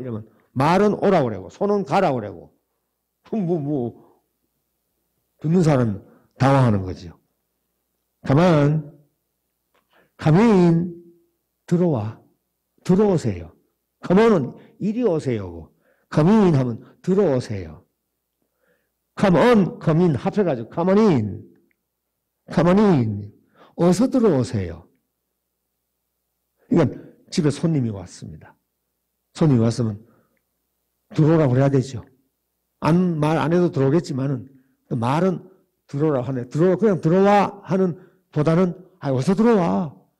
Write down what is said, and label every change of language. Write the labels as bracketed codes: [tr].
[ko] 이러면 말은 오라고 그러고 손은 가라고 그러고 뭐 듣는 사람 당황하는 거죠. [en] Come on. Come in. [ko] 들어와. 들어오세요. [en] Come on [ko] 은 이리 오세요고 [en] come in [ko] 하면 들어오세요. [en] come on, come in [ko] 합해가지고 [en] come on in. come on in. [ko] 어서 들어오세요. 이건 집에 손님이 왔습니다. 손님이 왔으면 들어오라고 그래야 되죠. 말 안 해도 들어오겠지만은 말은 들어오라고 하네. 들어와, 그냥 들어와 하는 보다는 아, 어서 들어와.